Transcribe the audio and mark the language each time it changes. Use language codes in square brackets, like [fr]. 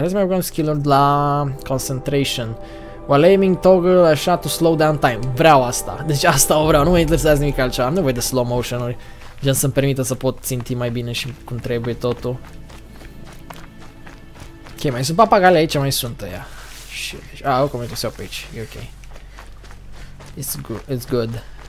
[ro] Hai să mai băgăm skill-uri la concentration. [en] While aiming toggle așa to slow down time. [ro] Vreau asta. Deci asta o vreau. Nu mă interesează nimic altceva. Am nevoie de slow motion-uri. Gen să-mi permită să pot ținti mai bine și cum trebuie totul. Ok, mai sunt papagale aici, mai sunt aia. Ah, oricum, mi-a dus eu pe aici. E ok. [en] It's good.